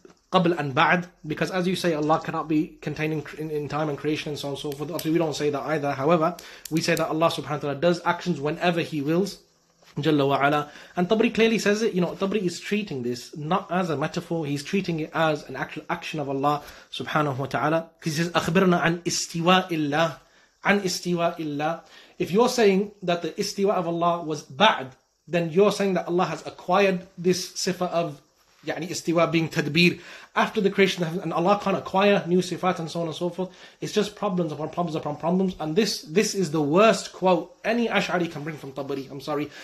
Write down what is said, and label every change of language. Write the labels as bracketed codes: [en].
[en] قبل and بعد, because as you say, Allah cannot be contained in time and creation and so on and so forth. Obviously, we don't say that either. However, we say that Allah subhanahu wa ta'ala does actions whenever He wills. Jalla wa ala. And Tabari clearly says it, you know, Tabari is treating this not as a metaphor, he's treating it as an actual action of Allah subhanahu wa ta'ala. [ar] He says, أَخْبِرْنَا عَنْ إِسْتِوَاءِ اللَّهِ عَنْ إِسْتِوَاءِ اللَّهِ. [en] If you're saying that the istiwa of Allah was ba'd, then you're saying that Allah has acquired this sifa of يعني استواء being tadbir after the creation of, and Allah can't acquire new sifat and so on and so forth. It's just problems upon problems upon problems. And this is the worst quote any Ash'ari can bring from Tabari. I'm sorry.